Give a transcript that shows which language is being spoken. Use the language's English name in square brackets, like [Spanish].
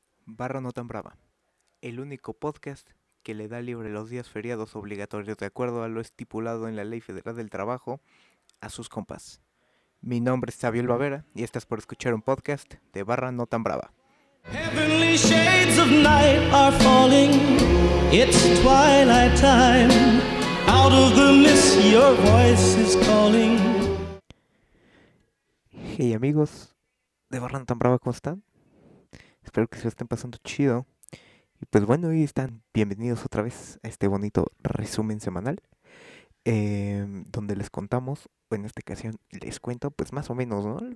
[Spanish] Barra Nota Brava, el único podcast que le da libre los días feriados obligatorios de acuerdo a lo estipulado en la Ley Federal del Trabajo a sus compas. Mi nombre es Xavier Bavera y estás por escuchar un podcast de Barra Nota Brava. [English] Heavenly shades of night are falling, it's twilight time, out of the mist your voice is calling. [Spanish] Hey amigos de Barra Nota Brava, ¿cómo están? Espero que se lo estén pasando chido. Y pues bueno, ahí están. Bienvenidos otra vez a este bonito resumen semanal. Donde les contamos, en esta ocasión les cuento, pues más o menos, ¿no?